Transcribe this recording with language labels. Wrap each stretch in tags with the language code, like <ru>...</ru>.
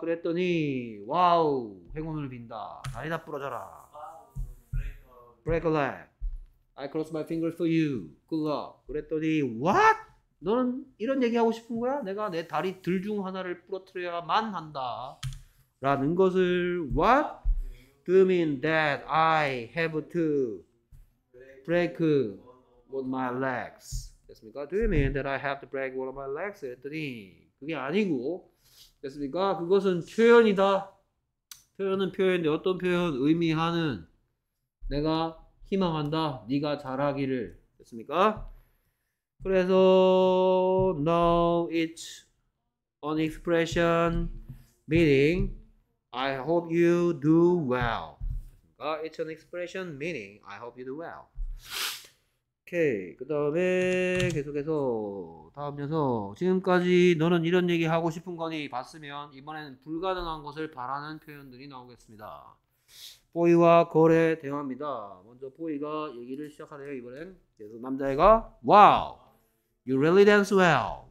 <ko>그랬더니 와우 행운을 빈다. 다리다 부러져라.</ko> <en>Break a leg. I cross my fingers for you. Good luck.</en> <ko>그랬더니</ko> <en>what?</en> <ko>너는 이런 얘기 하고 싶은 거야? 내가 내 다리 둘 중 하나를 부러뜨려야만 한다. 라는 것을 what?</ko> <en>Do you mean that I have to break one of my legs?</en> <ko>됐습니까?</ko> <en>Do you mean that I have to break one of my legs?</en> <ko>그랬더니 그게 아니고 됐습니까? 그것은 표현이다. 표현은 표현인데 어떤 표현 의미하는 내가 희망한다. 네가 잘하기를. 됐습니까?</ko> <en>그래서 No, it's an expression meaning I hope you do well.</en> <ko>됐습니까?</ko> <en>It's an expression meaning I hope you do well.</en> <ko>오케이. 그 다음에 계속해서 다음 녀석. 지금까지 너는 이런 얘기 하고 싶은 거니 봤으면 이번에는 불가능한 것을 바라는 표현들이 나오겠습니다. 보이와 걸의 대화입니다. 먼저 보이가 얘기를 시작하네요. 이번엔 그래서 남자애가 와우</ko> <en>you really dance well.</en>